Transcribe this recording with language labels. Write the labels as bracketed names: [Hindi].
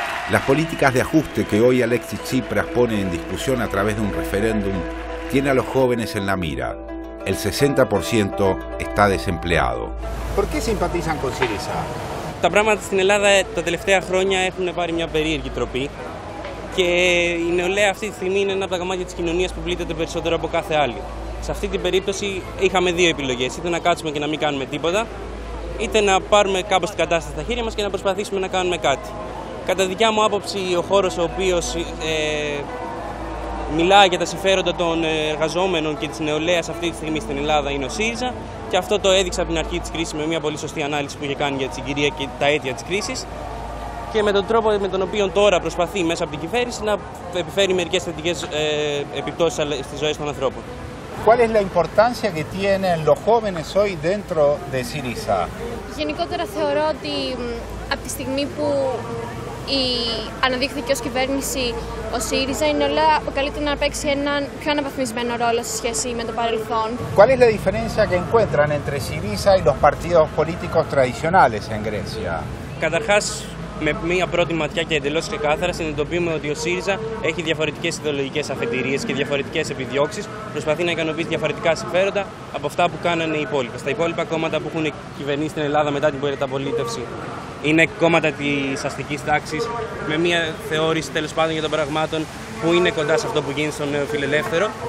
[Spanish] Las políticas de ajuste que hoy Alexis Tsipras pone en discusión a través de un referéndum tiene a los jóvenes en la mira. El 60% está desempleado. ¿Por qué simpatizan con Syriza? [Greek] Τα πράγματα στην Ελλάδα τα τελευταία χρόνια έχουν πάρει μια περίεργη τροπή και η νεολαία αυτή τη στιγμή είναι ένα από τα κομμάτια της κοινωνίας που πλήττεται περισσότερο από κάθε άλλη. Σε αυτή την περίπτωση είχαμε δύο επιλογές, είτε να κάτσουμε και να μην κάνουμε τίποτα, είτε να πάρουμε κάπως την κατάσταση στα χέρια μας και να προσπαθήσουμε να κάνουμε κάτι. Κατά δικιά μου άποψη, ο χώρος ο οποίος μιλάει για τα συμφέροντα των εργαζόμενων και της νεολαίας αυτή τη στιγμή στην Ελλάδα είναι ο ΣΥΡΙΖΑ και αυτό το έδειξα από την αρχή της κρίσης με μια πολύ σωστή ανάλυση που είχε κάνει για τη συγκυρία και τα αίτια της κρίσης. και με τον τρόπο με τον οποίο τώρα προσπαθεί μέσα από την κυβέρνηση να επιφέρει μερικές θετικές επιπτώσεις στις ζωές των ανθρώπων. [Spanish] ¿Cuál es la importancia que tienen los jóvenes hoy dentro de Syriza? [Greek] Γενικότερα θεωρώ ότι από τη στιγμή που αναδείχθηκε ως κυβέρνηση ο ΣΥΡΙΖΑ, είναι όλα καλύτερο να παίξει έναν πιο αναβαθμισμένο ρόλο σε σχέση με το παρελθόν. [Spanish] ¿Cuál es la diferencia que encuentran entre Syriza y los partidos políticos tradicionales en Grecia? [Greek] Καταρχάς, με μία πρώτη ματιά και εντελώς ξεκάθαρα, συνειδητοποιούμε ότι ο ΣΥΡΙΖΑ έχει διαφορετικές ιδεολογικές αφετηρίες και διαφορετικές επιδιώξεις. Προσπαθεί να ικανοποιήσει διαφορετικά συμφέροντα από αυτά που κάνανε οι υπόλοιποι. Στα υπόλοιπα κόμματα που έχουν κυβερνήσει την Ελλάδα μετά την μεταπολίτευση είναι κόμματα της αστικής τάξης, με μία θεώρηση τέλος πάντων για των πραγμάτων που είναι κοντά σε αυτό που γίνει στον νέο φιλελεύθερο.